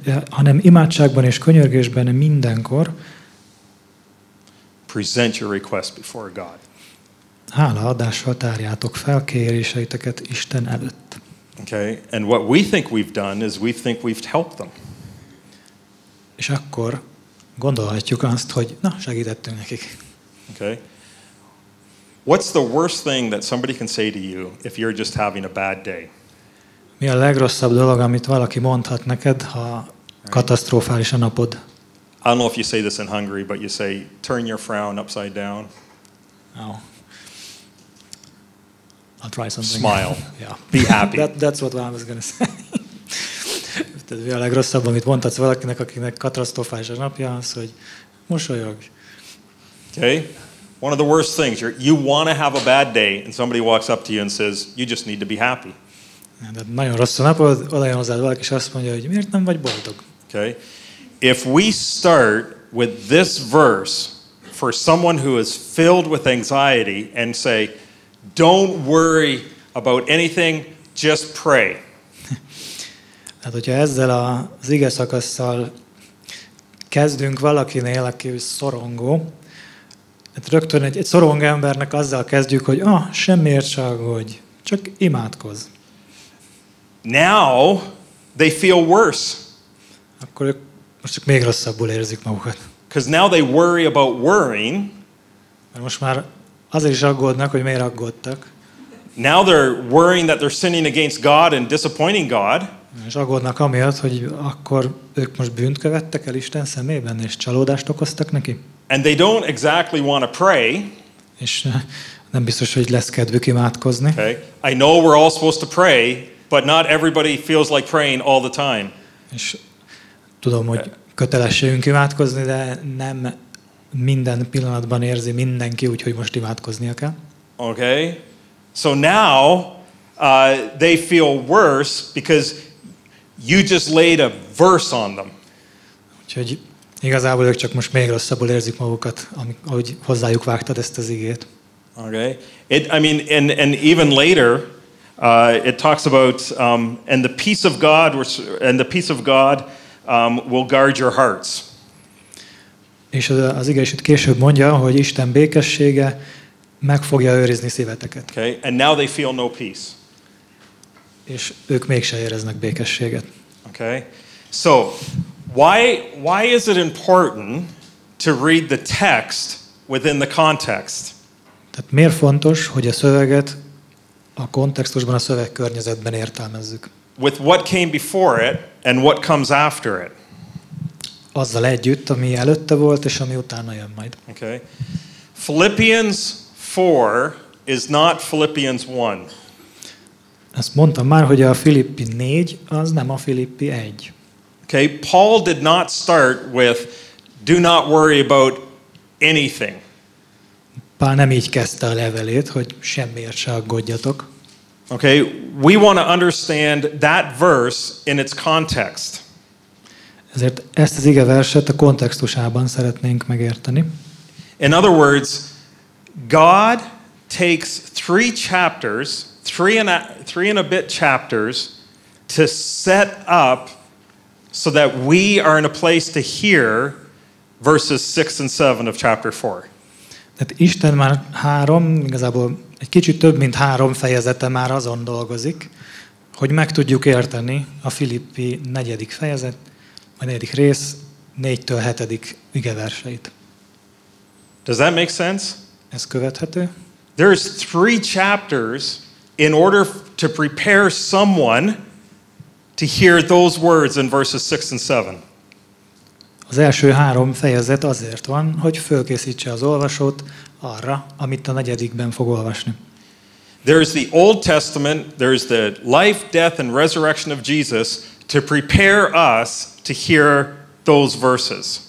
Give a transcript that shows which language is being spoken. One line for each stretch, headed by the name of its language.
Hungarian: Hanem imádságban és könyörgésben mindenkor.
English: Present your request before God.
Hungarian: Hálaadással tárjátok fel kéréseiteket Isten előtt.
English: Okay, and what we think we've done is we think we've helped them.
Hungarian: És akkor gondolhatjuk azt, hogy na, segítettünk nekik.
English: Okay. What's the worst thing that somebody can say to you if you're just having a bad day?
Hungarian: Mi a legrosszabb dolog, amit valaki mondhat neked, ha katasztrofális a napod?
English: I don't know if you say this in Hungary, but you say, turn your frown upside down. Oh. I'll try something. Smile. Yeah. Be happy. That's what I was going to say.
Hungarian: Mi a legrosszabb, amit mondhatsz valakinek, akinek katasztrofális a napja, az, hogy mosolyog.
English: Okay. One of the worst things, you want to have a bad day and somebody walks up to you and says, you just need to be happy.
Hungarian: Nagyon rossz a napod, odajön hozzád valaki, és azt mondja, hogy miért nem vagy boldog.
English: Okay. If we start with this verse for someone who is filled with anxiety and say, don't worry about anything, just pray.
Hungarian: Hát, hogyha ezzel az ige szakasszal kezdünk valakinél, aki szorongó, hát rögtön egy szorong embernek azzal kezdjük, hogy semmiért se aggódj, csak imádkozz.
English: Now they feel worse.
Hungarian: Akkor ők most csak még rosszabbul érzik magukat.
English: Because now they worry about worrying.
Hungarian: Mert most már azért is aggódnak, hogy miért aggódtak.
English: Now they're worrying that they're sinning against God and disappointing God.
Hungarian: És aggódnak amiatt, hogy akkor ők most bűnt követtek el Isten szemében, és csalódást okoztak neki.
English: And they don't exactly want to pray.
Hungarian: És nem biztos, hogy lesz kedvük imádkozni.
English: Okay. I know we're all supposed to pray, but not everybody feels like praying all the time.
Hungarian: És tudom, hogy kötelességünk imádkozni, de nem minden pillanatban érzi mindenki, úgyhogy most imádkoznia kell.
English: Okay. So now they feel worse because you just laid a verse on them.
Hungarian: Úgyhogy igazából ők csak most még rosszabbul érzik magukat, ahogy hozzájuk vágtad ezt az igét.
English: Okay. And even later it talks about and the peace of God will guard your hearts.
Hungarian: És az ige is itt később mondja, hogy Isten békessége meg fogja őrizni szíveteket.
English: Okay. And now they feel no peace.
Hungarian: És ők mégse éreznek békességet.
English: Okay. So, why is it important to read the text within the context?
Hungarian: Tehát miért fontos, hogy a szöveget a kontextusban, a szövegkörnyezetben értelmezzük?
English: With what came before it and what comes after it.
Hungarian: Azzal együtt, ami előtte volt és ami utána jön majd.
English: Okay. Philippians 4 is not Philippians 1.
Hungarian: Azt mondtam már, hogy a Filippi 4 az nem a Filippi 1.
English: Okay. Paul did not start with do not worry about anything.
Hungarian: Pál nem így kezdte a levelét, hogy semmiért se aggódjatok.
English: Okay, we want to understand that verse in its context.
Hungarian: Ezért ezt az ige verset a kontextusában szeretnénk megérteni.
English: In other words, God takes three chapters, three and a bit chapters to set up so that we are in a place to hear verses 6 and 7 of chapter 4.
Hungarian: Tehát Isten már három, igazából egy kicsit több, mint három fejezete már azon dolgozik, hogy meg tudjuk érteni a Filippi negyedik fejezet, a negyedik rész, 4-től 7-ig igeverseit.
English: Does that make sense?
Hungarian: Ez követhető?
English: There's three chapters in order to prepare someone to hear those words in verses 6 and 7.
Hungarian: Az első három fejezet azért van, hogy fölkészítse az olvasót arra, amit a negyedikben fog olvasni.
English: There's the Old Testament, there's the life, death and resurrection of Jesus to prepare us to hear those verses.